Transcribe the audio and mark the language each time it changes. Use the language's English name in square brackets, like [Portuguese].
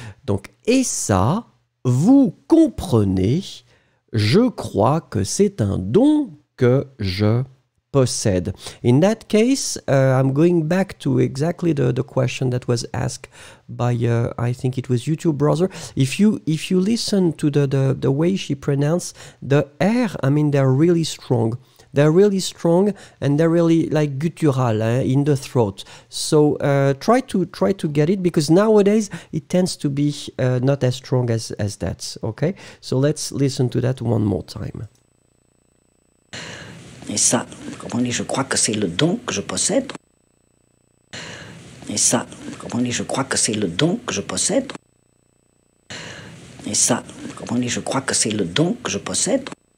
[French] Donc, et ça, vous comprenez, je crois que c'est un don que je possède. [English] In that case, I'm going back to exactly the question that was asked by I think it was YouTube browser. If you listen to the way she pronounced the R, I mean they're really strong and they're really like guttural in the throat. So try to get it, because nowadays it tends to be not as strong as that. Okay, so let's listen to that one more time. [French] Et ça, comment dire, je crois que c'est le don que je possède. Et ça, comment dire, je crois que c'est le don que je possède. Et ça, comment dire, je crois que c'est le don que je possède.